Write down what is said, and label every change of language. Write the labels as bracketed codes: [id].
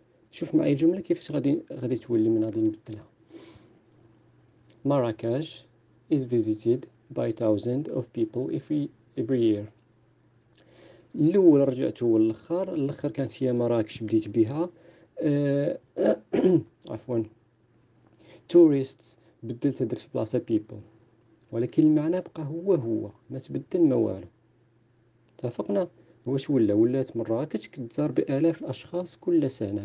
[ar] شوف معايا الجملة كيفاش غادي تولي من غادي نبدلها. [en] مراكش is visited by thousands of people every year. [ar] الأول رجعت هو الأخر، الأخر كانت هي مراكش بديت بها. عفوا tourists بدلت درت في بلاصة people، ولكن المعنى بقى هو ما تبدل ما والو. اتفقنا؟ واش ولات مراكش كتزار بالاف الاشخاص كل سنه.